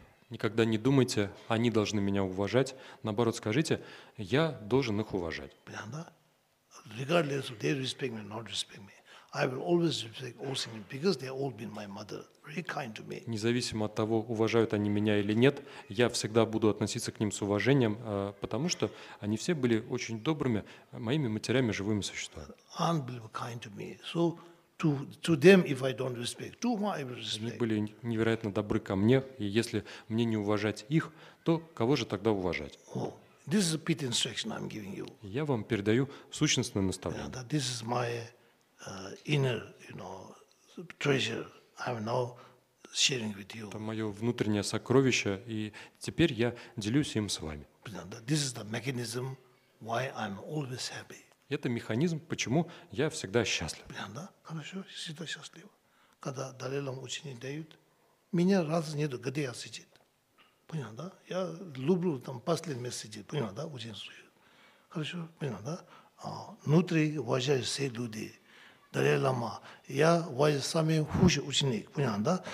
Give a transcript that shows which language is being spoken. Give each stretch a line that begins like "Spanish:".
Russian: Никогда не думайте, они должны меня уважать. Наоборот, скажите, я должен их уважать.
English: Regardless of they respect me or not respect me, I will always respect all singing because they have all been my mother, very kind to me.
Russian: Независимо от того, уважают они меня или нет, я всегда буду относиться к ним с уважением, потому что они все были очень добрыми моими матерями, живыми существами.
English: Unbelievably kind to me. So to them, if I don't respect, to whom I will respect?
Russian: Они были невероятно добры ко мне, и если мне не уважать их, то кого же тогда уважать?
English: This is a pit instruction I'm giving you.
Russian: Я вам передаю сущностное наставление.
English: Yeah, this is my inner, you know, treasure I'm now sharing with you.
Russian: Это мое внутреннее сокровище, и теперь я делюсь им с вами.
English: This is the mechanism why I'm always happy.
Russian: Это механизм, почему я всегда счастлив. Да, хорошо, всегда счастлив. Когда далелам ученики дают, меня раз нету, где я сидит. Понял, да? Я люблю там последний месяц сидеть, понял, да? Очень слушаю. Хорошо, понял, да? Внутри уважаю все люди. Далай Лама, я ваш самый худший ученик, понял, да?